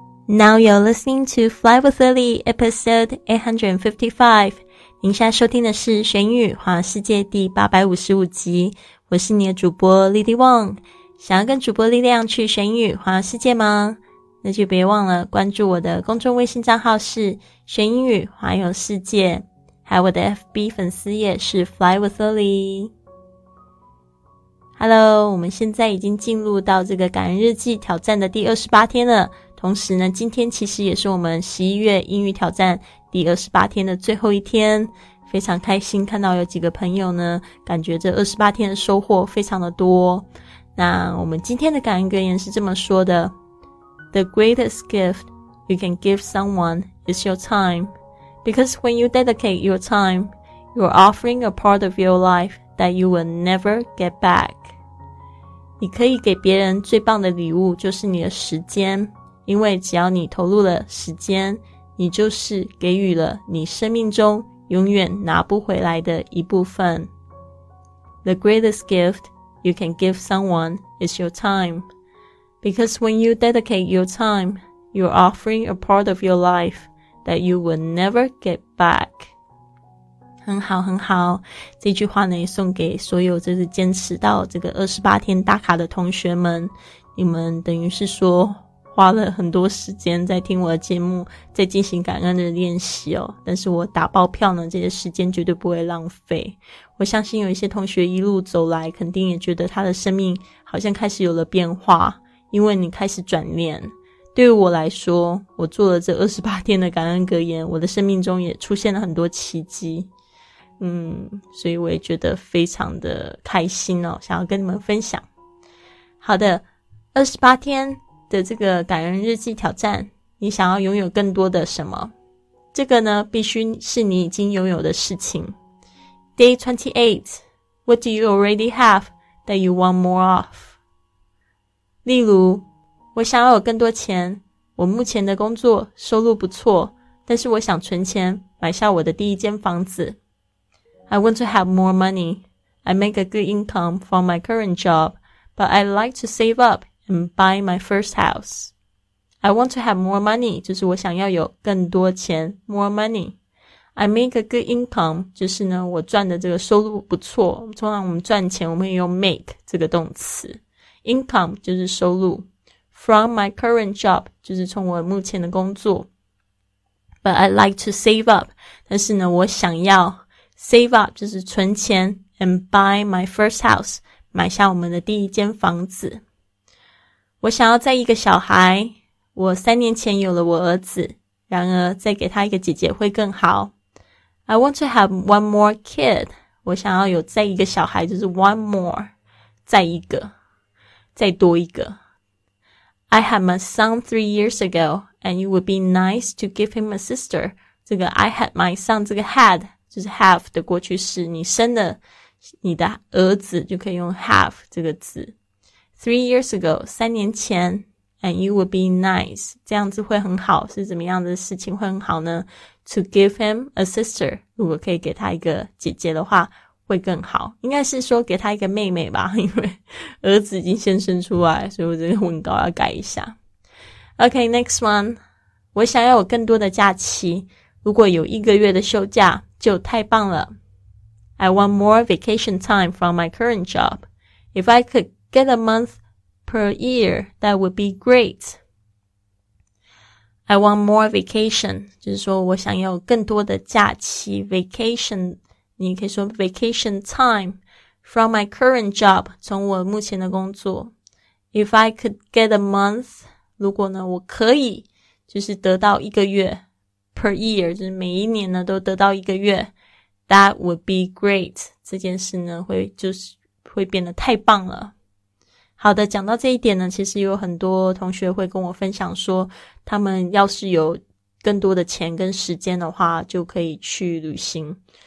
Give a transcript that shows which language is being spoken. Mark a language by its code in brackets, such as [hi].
[en] Now you're listening to Fly with Lily, episode 855. [zh] 您现在收听的是《学英语环游世界》第855集。我是你的主播 Lily Wong。想要跟主播力量去学英语环游世界吗？那就别忘了关注我的公众微信账号是《学英语环游世界》，还有我的 FB 粉丝页是 Fly with Lily。 Hello， 我们现在已经进入到这个感恩日记挑战的第28天了。同时呢，今天其实也是我们11月英语挑战第28天的最后一天。非常开心看到有几个朋友呢，感觉这28天的收获非常的多。那我们今天的感恩格言是这么说的： [en] The greatest gift you can give someone is your time. Because when you dedicate your time, you're offering a part of your life that you will never get back. [zh] 你可以给别人最棒的礼物就是你的时间，因为只要你投入了时间，你就是给予了你生命中永远拿不回来的一部分。 [en] The greatest gift you can give someone is your time. Because when you dedicate your time, you're offering a part of your life that you will never get back. [zh] 很好很好，这句话呢送给所有就是坚持到这个28天打卡的同学们，你们等于是说花了很多时间在听我的节目，在进行感恩的练习哦。但是我打包票呢，这些时间绝对不会浪费。我相信有一些同学一路走来，肯定也觉得他的生命好像开始有了变化，因为你开始转念。对于我来说，我做了这28天的感恩格言，我的生命中也出现了很多奇迹。所以我也觉得非常的开心哦，想要跟你们分享。好的，28天的这个感恩日记挑战，你想要拥有更多的什么？这个呢，必须是你已经拥有的事情。 [en] Day 28, what do you already have that you want more of? [zh] 例如，我想要有更多钱，我目前的工作收入不错，但是我想存钱买下我的第一间房子。 [en] I want to have more money. I make a good income from my current job, but I'd like to save up. And buy my first house. I want to have more money, [zh] 就是我想要有更多钱 [en] more money. I make a good income, [zh] 就是呢我赚的这个收入不错。通常我们赚钱我们也用 make 这个动词。Income 就是收入。 [en] From my current job, [zh] 就是从我目前的工作。 [en] But I'd like to save up, [zh] 但是呢我想要 [en] save up, [zh] 就是存钱 [en] and buy my first house, [zh] 买下我们的第一间房子。我想要再一个小孩，我三年前有了我儿子，然而再给他一个姐姐会更好。 [en] I want to have one more kid. [zh] 我想要有再一个小孩，就是 [en] one more, [zh] 再一个，再多一个。 [en] I had my son 3 years ago, and it would be nice to give him a sister. [zh] 这个 [en] I had my son, [zh] 这个 had, 就是 have 的过去式，你生了你的儿子就可以用 have 这个字。 [en] 3 years ago, [zh] 三年前 [en] and you would be nice. [zh] 这样子会很好，是怎么样的事情会很好呢？ [en] To give him a sister, [zh] 如果可以给他一个姐姐的话会更好。应该是说给他一个妹妹吧，因为儿子已经先生出来，所以我这个文稿要改一下。 [en] Okay, next one. [zh] 我想要有更多的假期，如果有一个月的休假就太棒了。 [en] I want more vacation time from my current job. If I couldGet a month per year, that would be great. I want more vacation. [zh] 就是说我想要更多的假期 vacation. 你可以说 [en] vacation time from my current job, [zh] 从我目前的工作。 [en] If I could get a month, [zh] 如果呢我可以就是得到一个月 [en] per year, [zh] 就是每一年呢都得到一个月 [en] that would be great. [zh] 这件事呢会就是会变得太棒了。好的，讲到这一点呢，其实有很多同学会跟我分享说，他们要是有更多的钱跟时间的话，就可以去旅行。